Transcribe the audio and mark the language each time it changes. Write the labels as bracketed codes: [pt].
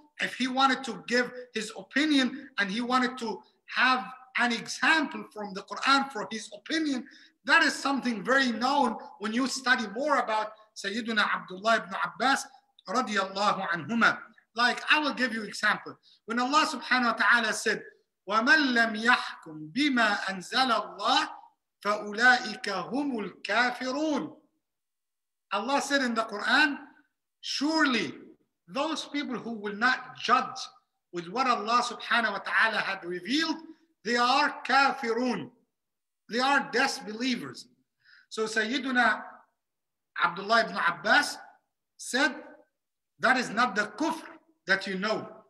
[en] If he wanted to give his opinion and he wanted to have an example from the Quran for his opinion, that is something very known when you study more about Sayyiduna Abdullah ibn Abbas radiallahu anhuma. Like, I will give you example. When Allah subhanahu wa ta'ala said, [ar] وَمَنْ لَمْ يَحْكُمْ بِمَا أَنْزَلَ اللَّهِ فَأُولَٰئِكَ هُمُ الْكَافِرُونَ. [en] Allah said in the Quran, surely those people who will not judge with what Allah subhanahu wa ta'ala had revealed, they are kafirun. They are disbelievers. So Sayyiduna Abdullah ibn Abbas said, that is not the kufr that you know.